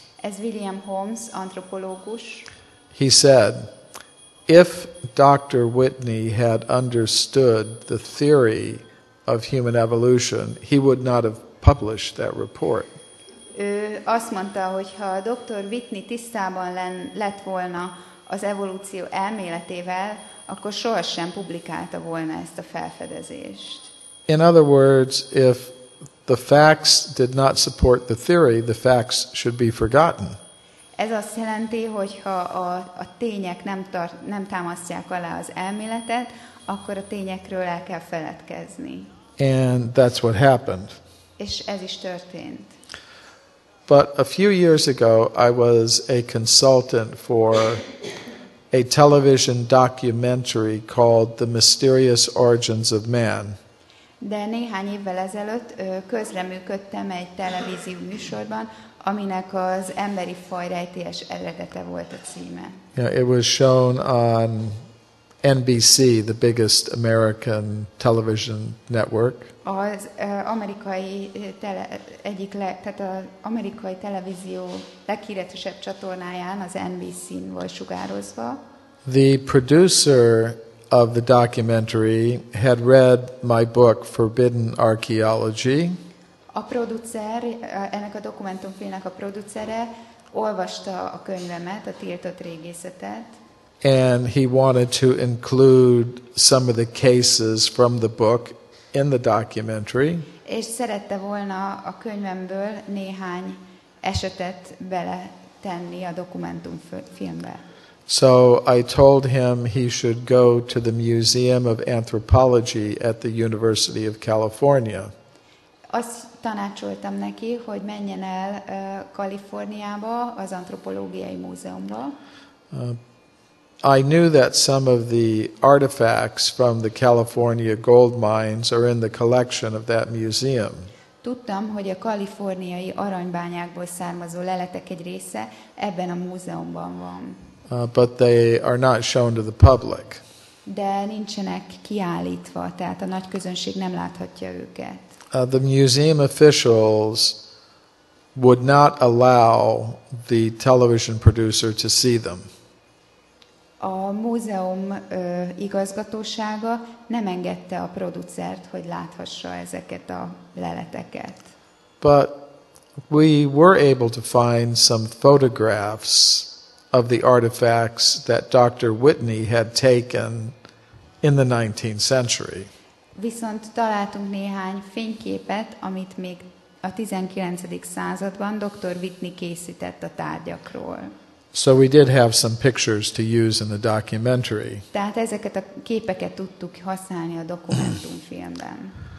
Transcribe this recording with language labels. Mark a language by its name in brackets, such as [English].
[Hungarian] Ez William Holmes, antropológus. [English] He said, if Dr. Whitney had understood the theory of human evolution, he would not have published that report. [Hungarian] Ő azt mondta, hogy ha Dr. Whitney tisztában lett volna az evolúció elméletével, akkor sohasem publikálta volna ezt a felfedezést. [English] In other words, if the facts did not support the theory, the facts should be forgotten. [Hungarian] Ez azt jelenti, hogy ha a tények nem támasztják alá az elméletet, akkor a tényekről el kell feledkezni. [English] And that's what happened. [Hungarian] És ez is történt. [English] But a few years ago, I was a consultant for a television documentary called The Mysterious Origins of Man. [Hungarian] De néhány évvel ezelőtt közreműködtem egy televízió műsorban, aminek az emberi faj rejtélyes eredete volt a címe. [English] Yeah, it was shown on NBC, the biggest American television network. [Hungarian] Az amerikai tehát az amerikai televízió leghíresebb csatornáján, az NBC-n volt sugározva. [English] The producer of the documentary had read my book Forbidden Archaeology. [Hungarian] A producer, ennek a dokumentumfilmnek a producere olvasta a könyvemet, a Tiltott régészetet. [English] And he wanted to include some of the cases from the book in the documentary. [Hungarian] És szerette volna a könyvemből néhány esetet beletenni a dokumentumfilmbe. [English] So I told him he should go to the Museum of Anthropology at the University of California. [Hungarian] Azt tanácsoltam neki, hogy menjen el Kaliforniába, az antropológiai múzeumba. [English] I knew that some of the artifacts from the California gold mines are in the collection of that museum. [Hungarian] Tudtam, hogy a kaliforniai aranybányákból származó leletek egy része ebben a múzeumban van. [English] But they are not shown to the public. [Hungarian] De nincsenek kiállítva, tehát a nagy közönség nem láthatja őket. [English] The museum officials would not allow the television producer to see them. [Hungarian] A múzeum igazgatósága nem engedte a producert, hogy láthassa ezeket a leleteket. [English] But we were able to find some photographs of the artifacts that Dr. Whitney had taken in the 19th century. [Hungarian] Viszont találtunk néhány fényképet, amit még a 19. században Dr. Whitney készített a tárgyakról. [English] So we did have some pictures to use in the documentary. [Hungarian] Tehát ezeket a képeket tudtuk használni a dokumentumfilmben.